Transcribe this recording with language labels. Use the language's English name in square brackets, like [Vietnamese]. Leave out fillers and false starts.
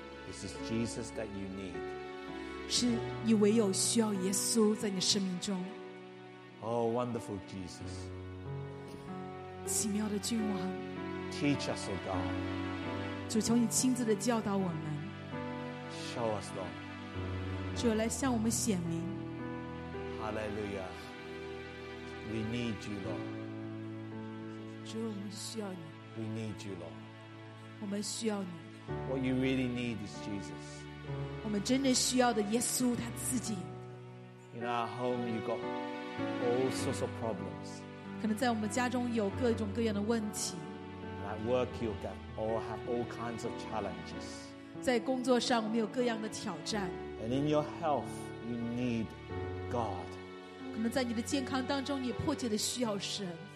[English] this is Jesus that you need, [Chinese] 是你唯有需要耶稣在你生命中。 [English] Oh, wonderful Jesus, [Chinese] 奇妙的君王， [English] teach us, O God, [Chinese] 主，求你亲自的教导我们。 [English] Show us, Lord. [Chinese] 主来向我们显明。 [English] Hallelujah. We need you, Lord. [Chinese] 主，我们需要你。 [English] We need you, Lord. [Chinese] 我们需要你。 [English] What you really need is Jesus. [Chinese] 我们真的需要的耶稣他自己。 [English] In our home, you got all sorts of problems. [Chinese] 可能在我们家中有各种各样的问题。 [English] At work, you'll get all have all kinds of challenges. [Chinese] 在工作上，我们有各样的挑战。 [English] And in your health, you need God. [Chinese] 可能在你的健康当中，你迫切的需要神。